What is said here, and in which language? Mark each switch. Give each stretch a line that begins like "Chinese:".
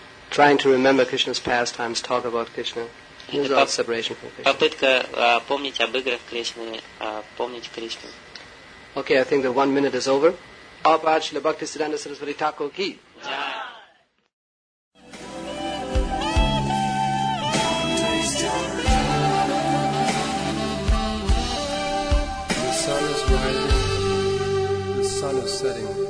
English: Trying to remember Krishna's pastimes, talk about Krishna. It's all separation from Krishna.
Russian: Попытка помнить об играх Кришны, помнить Кришну.
English: Okay, I think the 1 minute is over. Apachila Bhakti Siddhanta Sarasvati Thakur Ki. The sun is rising, the sun is setting.